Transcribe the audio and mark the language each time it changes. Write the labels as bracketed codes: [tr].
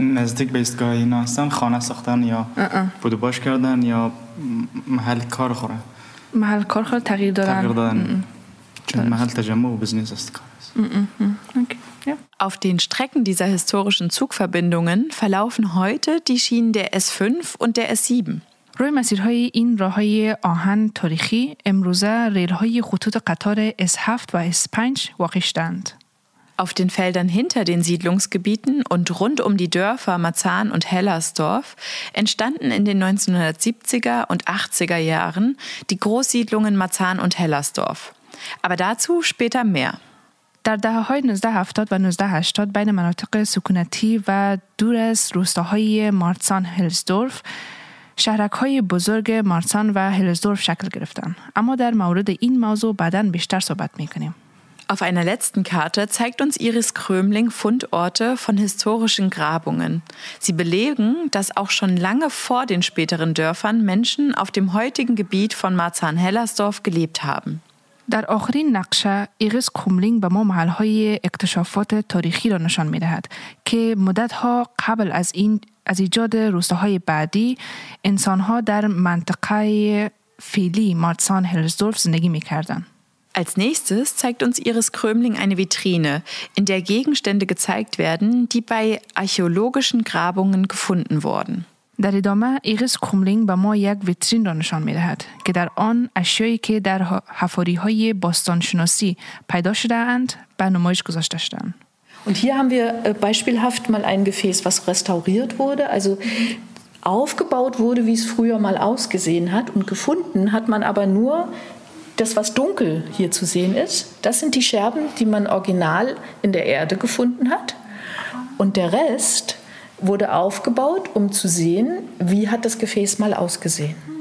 [fa] نزدیک به ازگاهی اینا هستن خانه ساختن یا بودوباش کردن یا محل کار خوره؟ محل کار خوره تغییر دادن؟ تغییر دادن چون محل تجمع و بزنس است کار است. [de] Auf den Strecken dieser historischen Zugverbindungen verlaufen heute die Schienen der S5 und der S7. [fa] روی مسیرهای این راه‌های آهن تاریخی امروزه ریل‌های خطوط قطار S7 و S5 واقع شدند. [de] Auf den Feldern hinter den Siedlungsgebieten und rund die Dörfer Marzahn und Hellersdorf entstanden in den 1970er und 80er Jahren die Großsiedlungen Marzahn und Hellersdorf. Aber dazu später mehr. [fa] در دهه‌های 1970 و 1980 بین مناطق سکونتی و دور از روستاهای مارتسان هلزدورف شهرک‌های بزرگ مارتسان و هلزدورف شکل گرفتند. اما در مورد این موضوع بعداً بیشتر صحبت می‌کنیم. [de] Auf einer letzten Karte zeigt uns Iris Krömling Fundorte von historischen Grabungen. Sie belegen, dass auch schon lange vor den späteren Dörfern Menschen auf dem heutigen Gebiet von Marzahn-Hellersdorf gelebt haben. [fa] در آخرین نقشه ایرس کوملینگ به ما محل‌های اکتشافات تاریخی را نشان می‌دهد که مدت‌ها قبل از این از ایجاد روستاهای بعدی انسان‌ها در منطقه فعلی مارتسان هلزدورف زندگی می‌کردند. [de] Als nächstes zeigt uns Iris Krömling eine Vitrine, in der Gegenstände gezeigt werden, die bei archäologischen Grabungen gefunden wurden. [fa] در ادامه ایرس کوملینگ به ما یک ویترین را نشان می دهد که در آن اشیایی که در حفاری های باستان شناسی پیدا شده اند به نمایش گذاشته شدند. [de] Und hier haben wir beispielhaft mal ein Gefäß, was restauriert wurde, also aufgebaut wurde, wie es früher mal ausgesehen hat und gefunden hat man aber nur das, was dunkel hier zu sehen ist. Das sind die Scherben, die man original in der Erde gefunden hat und der Rest wurde aufgebaut, zu sehen, wie hat das Gefäß mal ausgesehen.